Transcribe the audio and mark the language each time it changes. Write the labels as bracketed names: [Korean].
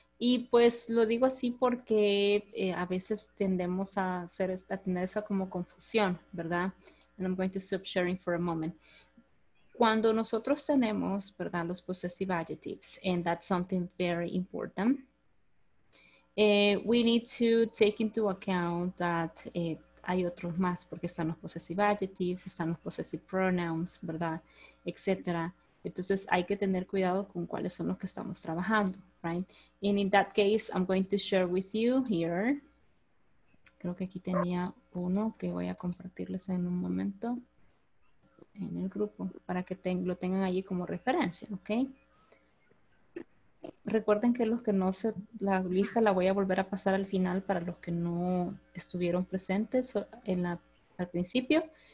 [Spanish] Y pues lo digo así porque a veces tendemos a hacer esta, a tener esa como confusión, ¿verdad? [English] And I'm going to stop sharing for a moment. [Spanish] Cuando nosotros tenemos, ¿verdad? Los [English] possessive adjectives, and that's something very important, we need to take into account that [Spanish] hay otros más, porque están los [English] possessive adjectives, [Spanish] están los [English] possessive pronouns, [Spanish] ¿verdad? Etcétera. Entonces hay que tener cuidado con cuáles son los que estamos trabajando, right? [English] And in that case, I'm going to share with you here. [Spanish] Creo que aquí tenía uno que voy a compartirles en un momento en el grupo para que lo tengan allí como referencia, ¿ok? Recuerden que los que no se, la lista la voy a volver a pasar al final para los que no estuvieron presentes en la, al principio.